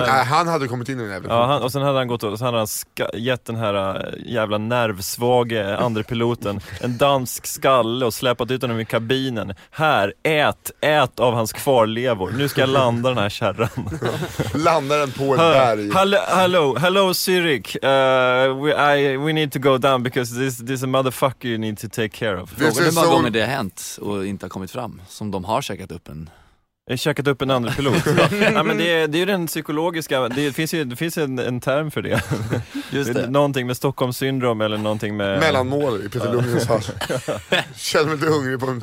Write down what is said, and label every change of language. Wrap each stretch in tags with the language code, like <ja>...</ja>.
<sv>Han hade kommit in i den jävla. Ja, och sen hade han gått och gett den här jävla nervsvage andre piloten en dansk skalle och släpat ut honom i kabinen. Här, ät av hans kvarlevor. Nu ska jag landa den här kärran. Landa den på en berg.</sv> <en>Hello Zurich. We need to go down because this a motherfucker you need to take care of.</en> <sv>Frågan är bara gånger det har hänt och inte har kommit fram som de har checkat upp en. Jag checkat upp en andra pilot. Ja, men det är ju den psykologiska. Det finns en term för det. Just det. Någonting med Stockholmssyndrom eller någonting med mellanmål i Peter Lundgrens fall. Känner mig lite hungrig på.</sv>